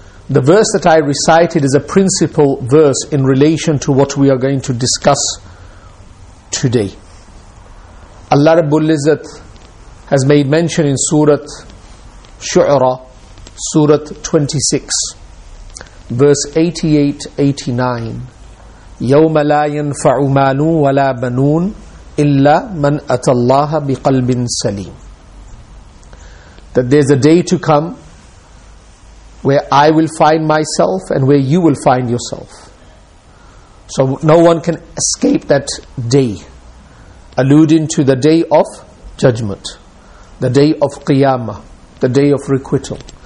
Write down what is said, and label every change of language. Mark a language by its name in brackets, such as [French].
[English] The verse that I recited is a principal verse in relation to what we are going to discuss today. Allah Rabbul Izzat has made mention in Surah Shu'ara, Surah 26. Verse 88-89, [Arabic] يَوْمَ لَا يَنْفَعُ مَالٌ وَلَا بَنُونَ إِلَّا مَنْ أَتَى اللَّهَ بِقَلْبٍ سَلِيمٍ. [English] That there's a day to come where I will find myself and where you will find yourself. So no one can escape that day, alluding to the day of judgment, the day of qiyamah, the day of requital.